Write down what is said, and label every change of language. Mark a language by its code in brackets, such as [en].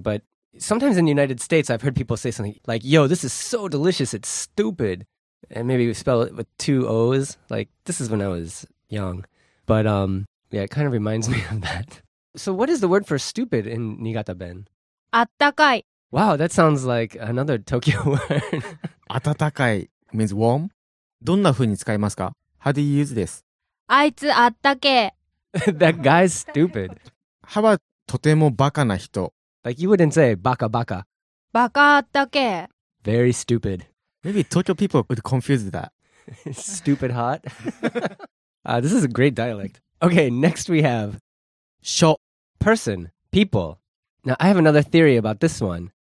[en] But sometimes in the United States, I've heard people say something like, yo, this is so delicious, it's stupid. And maybe we spell it with two O's. Like, this is when I was young. But, yeah, it kind of reminds me of that. So what is the word for stupid in Niigata Ben? [ja] Atakai. [en] Wow, that sounds like another Tokyo word. Atakai means warm? [ja] どんな風に使いますか? [en] How do you use this? [ja] あいつあったけ。 [en] That guy's stupid. How about [ja] とてもバカな人? [en] Like, you wouldn't say バカバカ。 [ja] バカあったけ。 [en] Very stupid. Maybe Tokyo people would confuse that. Stupid hot. this is a great dialect. Okay, next we have... [ja] Sho. [en] Person. People. Now, I have another theory about this one.